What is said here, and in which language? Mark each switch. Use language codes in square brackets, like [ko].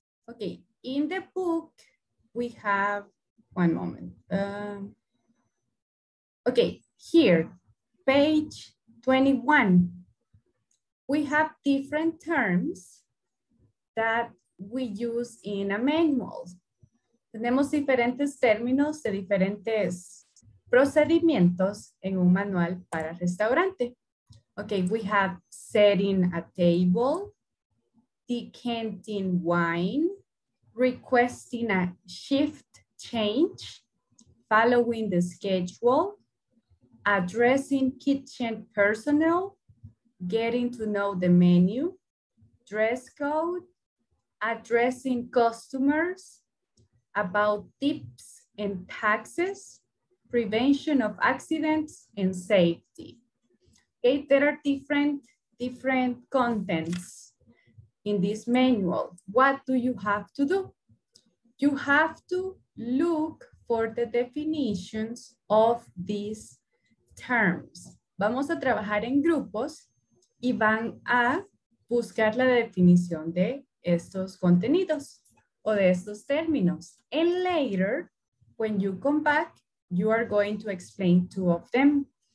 [en] Okay, in the book, we have, one moment. Okay, here, page 21. We have different terms that we use in a manual. [es] Tenemos diferentes términos de diferentes procedimientos en un manual para restaurante. [en] Okay, we have setting a table, decanting wine, requesting a shift change, following the schedule, addressing kitchen personnel, getting to know the menu, dress code, addressing customers, about tips and taxes, prevention of accidents and safety. Okay, there are different contents in this manual. What do you have to do? You have to look for the definitions of these terms. [es] Vamos a trabajar en grupos y van a buscar la definición de estos contenidos o de estos términos. [en] And later, when you come back, you are going to explain two of them.